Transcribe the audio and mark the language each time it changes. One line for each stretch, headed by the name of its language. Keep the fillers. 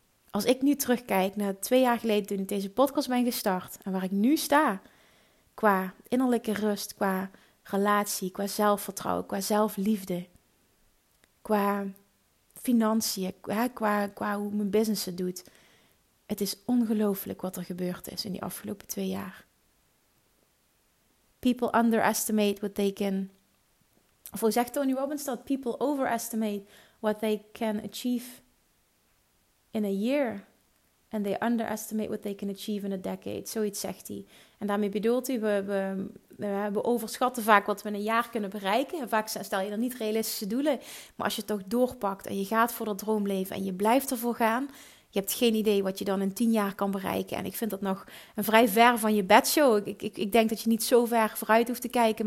Dutch: Als ik nu terugkijk naar twee jaar geleden toen ik deze podcast ben gestart en waar ik nu sta, qua innerlijke rust, qua relatie, qua zelfvertrouwen, qua zelfliefde, qua financiën, qua, qua, qua hoe mijn business het doet. Het is ongelooflijk wat er gebeurd is in die afgelopen twee jaar
English: people underestimate what they can.
Dutch: Of hoe zegt Tony Robbins dat?
English: People overestimate what they can achieve in a year. And they underestimate what they can achieve in a decade.
Dutch: Zoiets zegt hij. En daarmee bedoelt hij, we, we, we overschatten vaak wat we in een jaar kunnen bereiken. En vaak stel je dan niet realistische doelen. Maar als je het toch doorpakt en je gaat voor dat droomleven en je blijft ervoor gaan, je hebt geen idee wat je dan in tien jaar kan bereiken. En ik vind dat nog een vrij ver van je bedshow. Ik, ik, ik denk dat je niet zo ver vooruit hoeft te kijken.